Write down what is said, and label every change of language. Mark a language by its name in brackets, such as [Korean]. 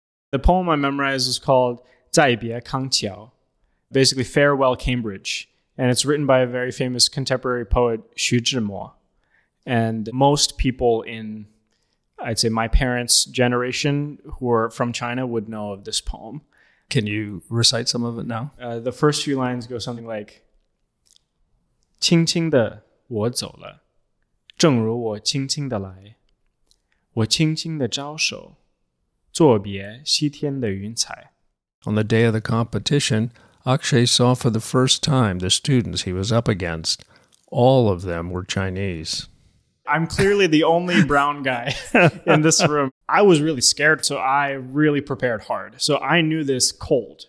[English] The poem I memorized was called 再别康桥, basically Farewell Cambridge. And it's written by a very famous contemporary poet, Xu Zhimo. And most people in, I'd say, my parents' generation who are from China would know of this poem. Can you recite some of it now? The first few lines go something like, [Chinese] 轻轻地我走了，正如我轻轻地来，我轻轻地招手，作别西天的云彩。 [English] On the day of the competition, Akshay saw for the first time the students he was up against. All of them were Chinese. I'm clearly the only brown guy in this room. I was really scared, so I really prepared hard. So I knew this cold.